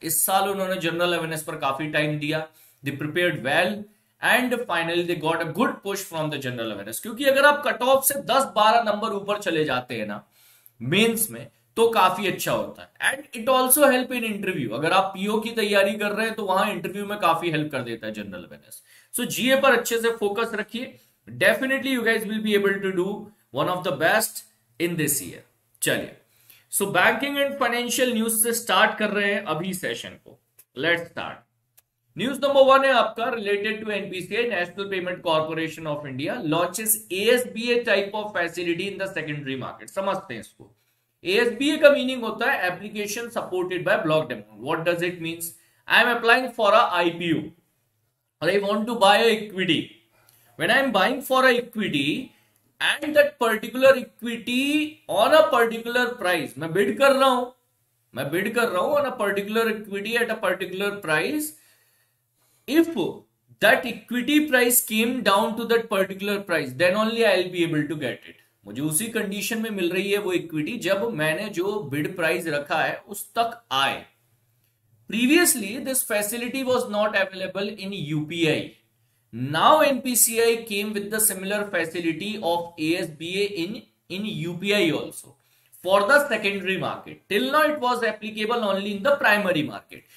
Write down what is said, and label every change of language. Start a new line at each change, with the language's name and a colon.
Hindi: इस साल उन्होंने जनरल अवेयरनेस पर काफी टाइम दिया,
English: They prepared well and finally they got a good push from the general awareness.
Hindi: क्योंकि अगर आप कट ऑफ से 10-12 नंबर ऊपर चले जाते हैं ना मेन्स में तो काफी अच्छा होता है
English: And it also help in interview.
Hindi: अगर आप पीओ की तैयारी कर रहे हैं तो वहां इंटरव्यू में काफी हेल्प कर देता है जनरल अवेयरनेस. सो जीए पर अच्छे से फोकस रखिए.
English: Definitely you guys will be able to do one of the best in this year.
Hindi: चलिए,
English: so banking and financial news
Hindi: से start कर रहे हैं अभी session को.
English: Let's start. News number one है आपका related to NPCI, National Payment Corporation of India launches ASBA type of facility in the secondary market.
Hindi: समझते हैं इसको.
English: ASBA का meaning होता है application supported by block demand. What does it means? I am applying for a IPO or I want to buy a equity. When I am buying for a equity and that particular equity on a particular price,
Hindi: मैं bid कर रहा हूं
English: on a particular equity at a particular price. If that equity price came down to that particular price, then only I'll be able to get it.
Hindi: मुझे उसी condition में मिल रही है वो equity जब मैंने जो bid price रखा है उस तक आए.
English: Previously, this facility was not available in UPI. Now NPCI came with the similar facility of ASBA in UPI also for the secondary market. Till now it was applicable only in the primary market.